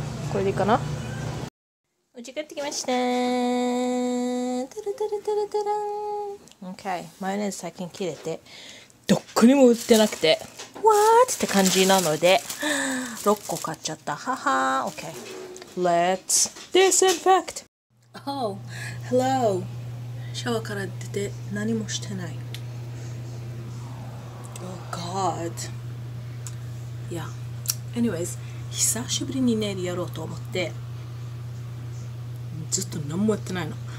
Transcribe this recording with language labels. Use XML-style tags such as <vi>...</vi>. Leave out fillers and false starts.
<ja>これでいいかな。うち帰ってきましたー。たるたるたるたるん。 OK、 マヨネーズ最近切れてどっくにも売ってなくて What? って感じなので6個買っちゃった。</ja> <en>はは OK、 Let's disinfect。 Oh, hello。</en> <ja>シャワーから出て何もしてない。</ja> <en>Oh God。</en> <ja>Yeah, anyways、久しぶりにネイルやろうと思ってずっと何もやってないの。</ja>